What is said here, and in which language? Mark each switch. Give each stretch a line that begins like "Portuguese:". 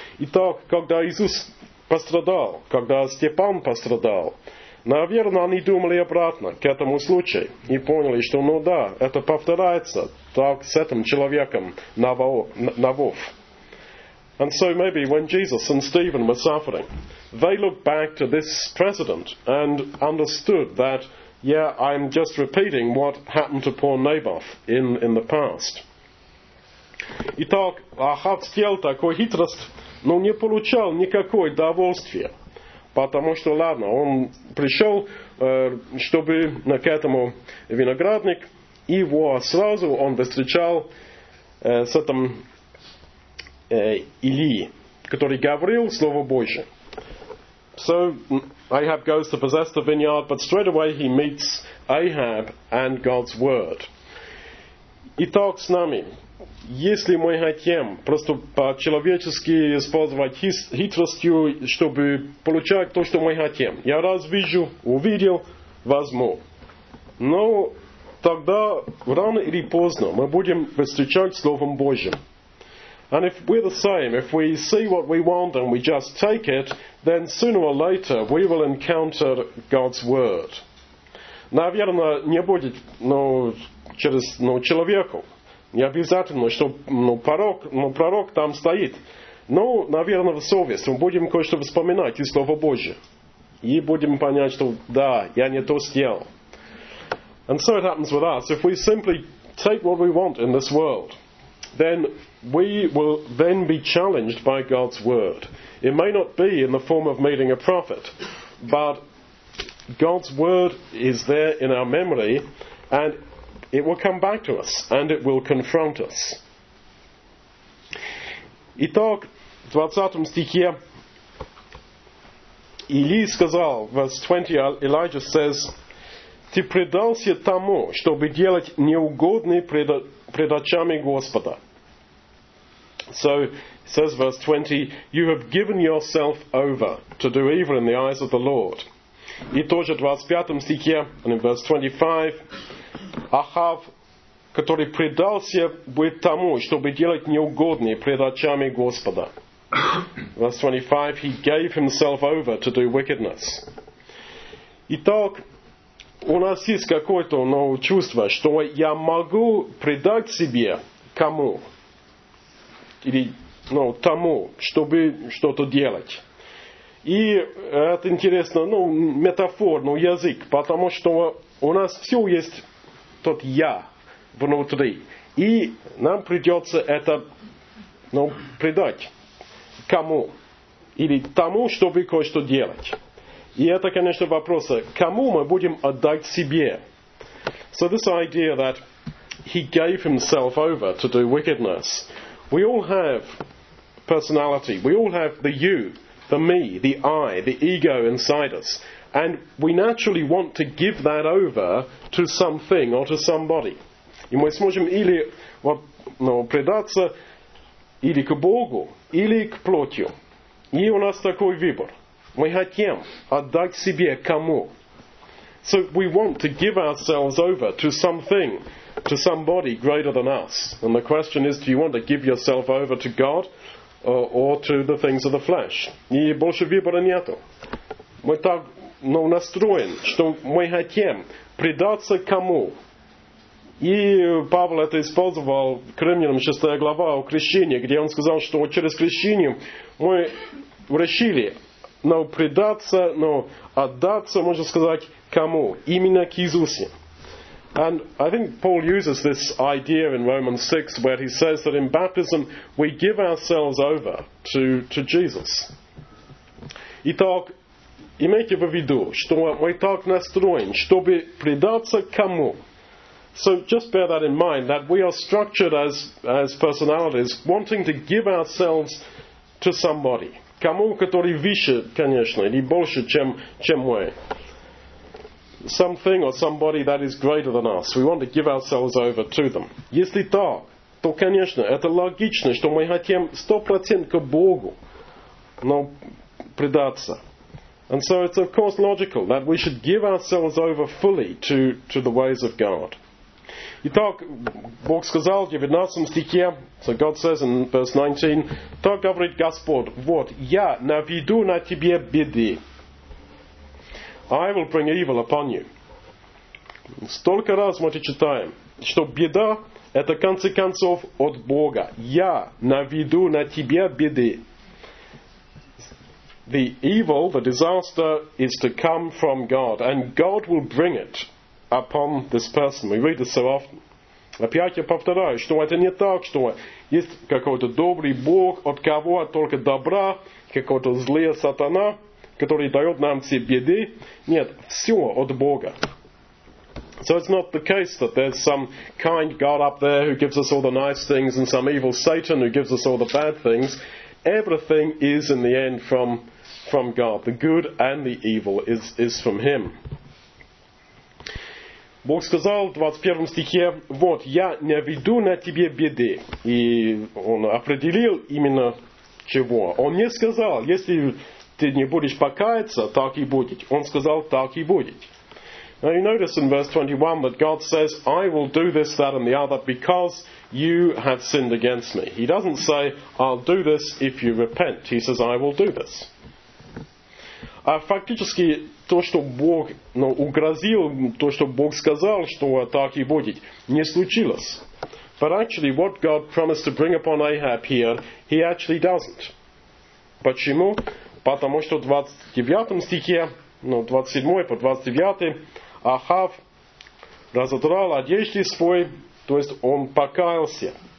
Russian: Итак, когда Иисус пострадал, когда Степан пострадал, наверное, они думали обратно к этому случаю и поняли, что, ну да, это повторяется так с этим человеком Навов.
English: And so maybe when Jesus and Stephen were suffering, they looked back to this precedent and understood that, yeah, I'm just repeating what happened to poor Naboth in the past.
Russian: Итак, Ахав сделал такую хитрость, но не получал никакой довольствия. Потому что, ладно, он пришел, чтобы к этому виноградник, и его сразу он встречал с этим Илии, который говорил Слово Божие.
English: So, Ahab goes to possess the vineyard, but straight away he meets Ahab and God's word.
Russian: Итак, с нами, если мы хотим просто по-человечески использовать хитростью, чтобы получать то, что мы хотим, я раз вижу, увидел, возьму. Но тогда, рано или поздно, мы будем встречать Словом Божьим.
English: And if we're the same, if we see what we want and we just take it, then sooner or later we will encounter God's word.
Russian: Наверное, не будет, ну, через, ну, человеку. Не обязательно, что, ну, порок, ну, пророк там стоит. Ну, наверное, в совесть. Мы будем кое-что вспоминать из Слова Божия. И будем понять, что да, я не то сделал.
English: And so it happens with us. If we simply take what we want in this world, then we will then be challenged by God's word. It may not be in the form of meeting a prophet, but God's word is there in our memory, and it will come back to us, and it will confront us.
Russian: Итак, в 20 стихе Илия сказал,
English: verse 20, Elijah says,
Russian: «Ты предался тому, чтобы делать неугодный пред очами Господа».
English: So, says verse 20, you have given yourself over to do evil in the eyes of the Lord.
Russian: И тоже в 25 стихе,
English: and in verse 25,
Russian: Ахав, который предался быть тому, чтобы делать неугодные пред очами Господа.
English: Verse 25, he gave himself over to do wickedness.
Russian: Итак, у нас есть какое-то новое чувство, что я могу предать себе кому? Или, ну, тому, чтобы что-то делать. И это интересно, ну, метафор, ну, язык, потому что у нас все есть тот «я» внутри. И нам придется это, ну, предать кому? Или тому, чтобы кое-что делать. И это, конечно, вопрос, кому мы будем отдать себе?
English: So this idea that he gave himself over to do wickedness. We all have personality. We all have the you, the me, the I, the ego inside us. And we naturally want to give that over to something or to somebody.
Russian: И мы сможем или предаться или к Богу, или к плотью. И у нас такой выбор. Мы хотим отдать себе кому.
English: So we want to give ourselves over to something, to somebody greater than us. And the question is, do you want to give yourself over to God or to the things of the flesh?
Russian: И больше выбора нету. Мы так, ну, настроен, что мы хотим предаться кому. И Павел это использовал в Римлянам 6 глава о крещении, где он сказал, что через крещение мы решили, ну, предаться, ну, отдаться, можно сказать, кому? Именно к Иисусе.
English: And I think Paul uses this idea in Romans 6 where he says that in baptism we give ourselves over to Jesus.
Russian: Итак, имейте в виду, что мы так настроен, чтобы предаться кому.
English: So just bear that in mind, that we are structured as personalities wanting to give ourselves to somebody.
Russian: Кому, который выше, конечно, или больше, чем мы.
English: Something or somebody that is greater than us. We want to give ourselves over to them.
Russian: Если так, то, конечно, это логично, что мы хотим 100% к Богу. но предаться.
English: And so it's of course logical that we should give ourselves over fully to the ways of God.
Russian: Итак, Бог сказал в 19 стихе,
English: so God says in verse 19,
Russian: так говорит Господь, вот, я наведу на тебе беды.
English: I will bring evil upon you.
Russian: Столько раз мы это читаем, что беда, это в конце концов от Бога. Я наведу на тебе беды.
English: The evil, the disaster, is to come from God, and God will bring it upon this person. We read this so often.
Russian: Опять я повторяю, что это не так, что есть какой-то добрый Бог, от кого только добра, какой-то злый сатана, который дает нам все беды. Нет, все от Бога.
English: So it's not the case that there's some kind God up there who gives us all the nice things and some evil Satan who gives us all the bad things. Everything is in the end from God. The good and the evil is from Him.
Russian: Бог сказал в 21 стихе, вот, я наведу на тебе беды. И Он определил именно чего. Он не сказал, если ты не будешь покаяться, так и будет. Он сказал, так и будет.
English: Now you notice in verse 21 that God says, I will do this, that and the other because you have sinned against me. He doesn't say, I'll do this if you repent. He says, I will do this.
Russian: Фактически, то, что Бог угрозил, то, что Бог сказал, что так и будет, не случилось.
English: But actually, what God promised to bring upon Ahab here, he actually doesn't.
Russian: Почему? Потому что в 29 стихе, 27 по 29, Ахав разодрал одежды свои, то есть он покаялся.